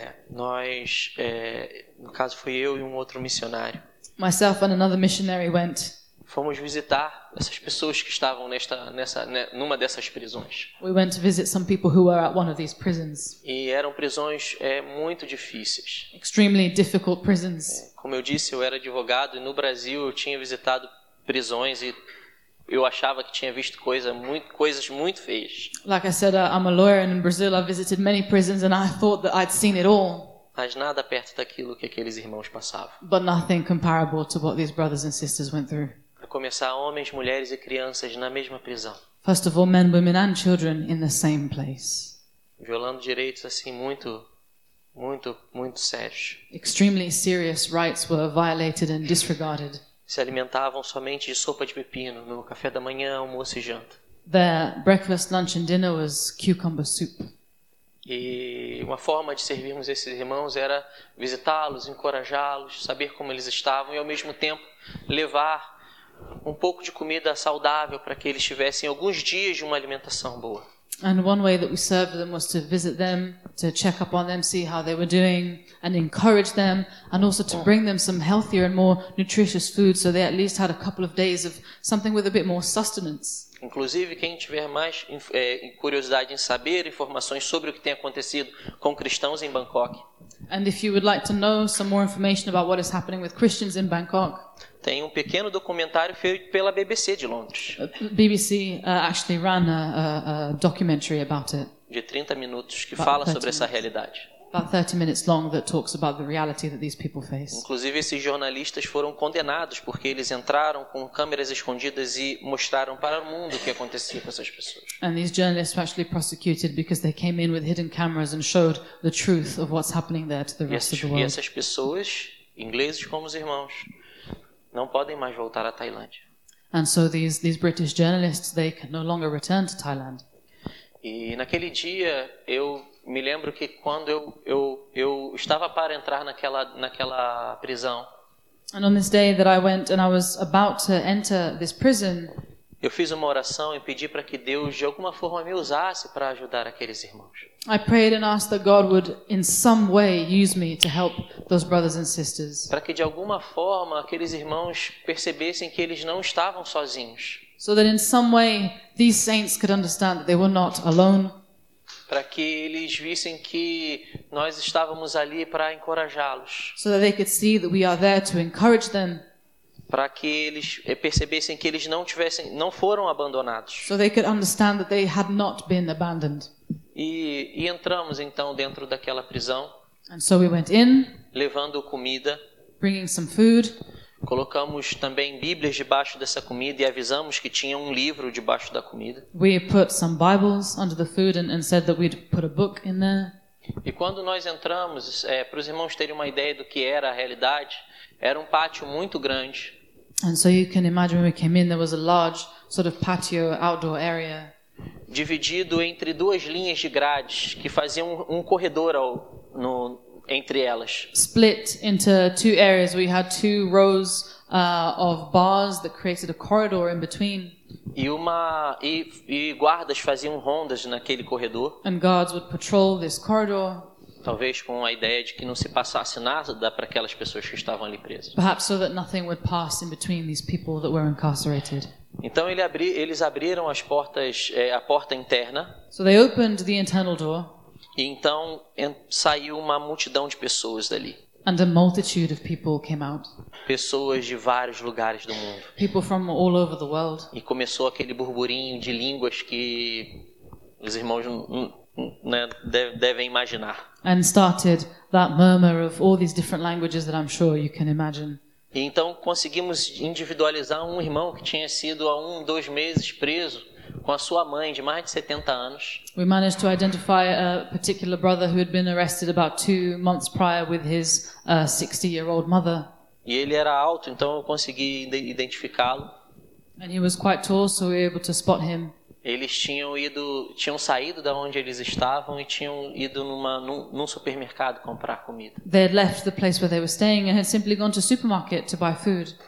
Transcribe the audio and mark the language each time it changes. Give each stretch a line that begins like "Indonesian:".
Portuguese: no caso foi eu e um outro missionário,
English: myself and another missionary went.
Portuguese: Fomos visitar essas pessoas que estavam numa dessas prisões.
English: We went to visit some people who were at one of these prisons.
Portuguese: E eram prisões muito difíceis.
English: Extremely difficult prisons.
Portuguese: Como eu disse, eu era advogado e no Brasil eu tinha visitado prisões e eu achava que tinha visto coisas muito feias.
English: Like I said, I'm a lawyer and in Brazil I visited many prisons and I thought that I'd seen it all.
Portuguese: Mas nada perto daquilo que aqueles irmãos passavam.
English: But nothing comparable to what these brothers and sisters went through.
Portuguese: Começar homens, mulheres e crianças na mesma prisão.
English: First of all, men, women and children in the same place.
Portuguese: Violando direitos assim muito, muito, muito sérios.
English: Extremely serious rights were violated and disregarded.
Portuguese: Se alimentavam somente de sopa de pepino no café da manhã, almoço e janta.
English: Their breakfast, lunch and dinner was cucumber soup.
Portuguese: E uma forma de servirmos esses irmãos era visitá-los, encorajá-los, saber como eles estavam e ao mesmo tempo levar um pouco de comida saudável para que eles tivessem alguns dias de uma alimentação boa.
English: And one way that we served them was to visit them, to check up on them, see how they were doing, and encourage them, and also to bring them some healthier and more nutritious food, so they at least had a couple of days of something with a bit more sustenance.
Portuguese: Inclusive, quem tiver mais curiosidade em saber informações sobre o que tem acontecido com cristãos em Bangkok.
English: And if you would like to know some more information about what is happening with Christians in Bangkok.
Portuguese: Tem um pequeno documentário feito pela BBC de Londres.
English: BBC actually ran a documentary about it.
Portuguese: De 30 minutos que fala sobre essa realidade.
English: About 30 minutes long that talks about the reality that these people face.
Portuguese: Inclusive esses jornalistas foram condenados porque eles entraram com câmeras escondidas e mostraram para o mundo o que acontecia com essas pessoas.
English: And these journalists were actually prosecuted because they came in with hidden cameras and showed the truth of what's happening there to the rest of the world.
Portuguese: E essas pessoas, ingleses como os irmãos, não podem mais voltar à Tailândia.
English: And so these British journalists, they can no longer return to Thailand.
Portuguese: E naquele dia eu me lembro que quando eu estava para entrar naquela prisão.
English: And on this day that I went and I was about to enter this prison,
Portuguese: eu fiz uma oração e pedi para que Deus de alguma forma me usasse para ajudar aqueles irmãos.
English: I prayed and asked that God would in some way use me to help those brothers and sisters.
Portuguese: Para que de alguma forma aqueles irmãos percebessem que eles não estavam sozinhos.
English: So that in some way these saints could understand that they were not alone.
Portuguese: Para que eles vissem que nós estávamos ali para encorajá-los.
English: So that they could see that we are there to encourage them.
Portuguese: Para que eles percebessem que eles não foram abandonados.
English: So they could understand that they had not been abandoned.
Portuguese: E entramos então dentro daquela prisão.
English: And so we went in,
Portuguese: levando comida.
English: Bringing some food.
Portuguese: Colocamos também Bíblias debaixo dessa comida e avisamos que tinha um livro debaixo da comida.
English: We put some Bibles under the food and said that we'd put a book in there.
Portuguese: E quando nós entramos, para os irmãos terem uma ideia do que era a realidade, era um pátio muito grande.
English: And so you can imagine when we came in, there was a large sort of patio outdoor area.
Portuguese: Dividido entre duas linhas de grades que faziam um corredor entre elas.
English: Split into two areas, we had two rows of bars that created a corridor in between.
Portuguese: E guardas faziam rondas naquele corredor.
English: And guards would patrol this corridor.
Portuguese: Talvez com a ideia de que não se passasse nada para aquelas pessoas que estavam ali presas.
English: Perhaps so that nothing would pass in between these people that were incarcerated.
Portuguese: Então eles abriram as portas, a porta interna.
English: So they opened the internal door.
Portuguese: E então saiu uma multidão de pessoas dali.
English: And a multitude of people came out.
Portuguese: Pessoas de vários lugares do mundo.
English: People from all over the world.
Portuguese: E começou aquele burburinho de línguas que os irmãos, né, devem imaginar.
English: And started that murmur of all these different languages that I'm sure you can imagine.
Portuguese: E então conseguimos individualizar um irmão que tinha sido há 1-2 meses preso com a sua mãe de mais de 70 anos.
English: We managed to identify a particular brother who had been arrested about 2 months prior with his 60-year-old mother.
Portuguese: E ele era alto, então eu consegui identificá-lo.
English: And he was quite tall, so we were able to spot him.
Portuguese: Eles tinham saído da onde eles estavam e tinham ido num supermercado comprar comida.
English: They had left the place where they were staying and had simply gone to a supermarket to buy food.